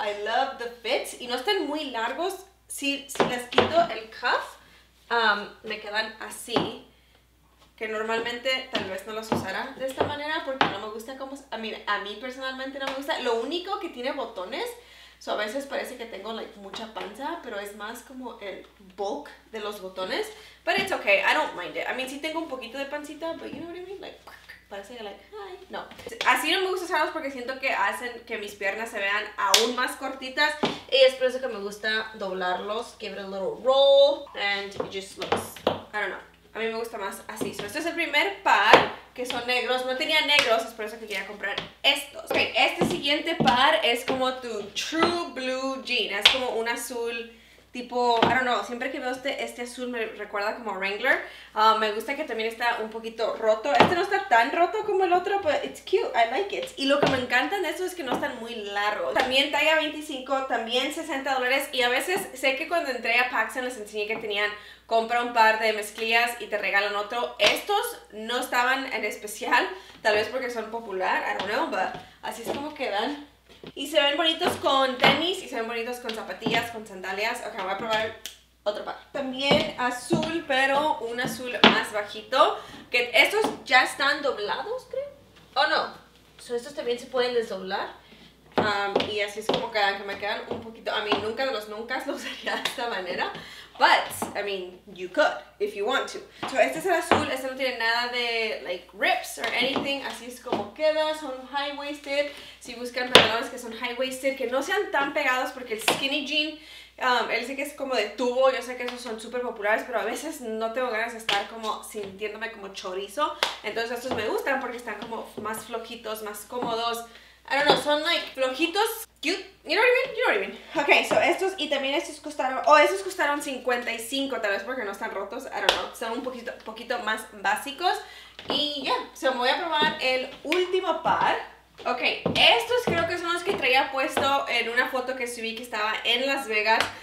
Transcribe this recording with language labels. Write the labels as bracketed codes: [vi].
[en] I love the fits. [es] Y no están muy largos. Si les quito el cuff, me quedan así. Que normalmente tal vez no los usara de esta manera porque no me gusta como... A mí personalmente no me gusta. Lo único que tiene botones... So, a veces parece que tengo like, mucha panza, pero es más como el bulk de los botones. [en] But it's okay, I don't mind it. I mean, [es] sí tengo un poquito de pancita, [en] but you know what I mean? [es] Like, parece que like, hi. No. Así no me gusta usarlos porque siento que hacen que mis piernas se vean aún más cortitas. Y es por eso que me gusta doblarlos. [en] Give it a little roll. And it just looks, I don't know. [es] A mí me gusta más así. So, este es el primer par, que son negros. No tenía negros, es por eso que quería comprar estos. Ok, este siguiente par es como tu true blue jean. Es como un azul tipo, [en] I don't know, [es] siempre que veo este azul me recuerda como Wrangler. Me gusta que también está un poquito roto. Este no está tan roto como el otro, pero [en] it's cute, I like it. [es] Y lo que me encantan de estos es que no están muy largos. También talla 25, también $60. Y a veces, sé que cuando entré a Paxson les enseñé que tenían... Compra un par de mezclillas y te regalan otro. Estos no estaban en especial, tal vez porque son popular, [en] I don't know, [es] but así es como quedan. Y se ven bonitos con tenis y se ven bonitos con zapatillas, con sandalias. Ok, voy a probar otro par. También azul, pero un azul más bajito. Que estos ya están doblados, creo. Oh, no. So, estos también se pueden desdoblar. Y así es como quedan, que me quedan un poquito... A mí nunca de los nunca los usaría de esta manera. [en] But, I mean, you could, if you want to. [es] So, este es el azul, este no tiene nada de, like, [en] rips or anything. [es] Así es como queda, son high-waisted. Si buscan pantalones que son high-waisted, que no sean tan pegados, porque el skinny jean, él dice que es como de tubo. Yo sé que esos son súper populares, pero a veces no tengo ganas de estar como sintiéndome como chorizo. Entonces, estos me gustan porque están como más flojitos, más cómodos. [en] I don't know, [es] son, like, flojitos. [en] Cute. You know what I mean? You know what I mean. [es] Ok, so estos y también estos costaron... Oh, estos costaron $55, tal vez porque no están rotos. [en] I don't know. [es] Son un poquito más básicos. Y ya, yeah. So me voy a probar el último par. Ok, estos creo que son los que traía puesto en una foto que subí que estaba en Las Vegas.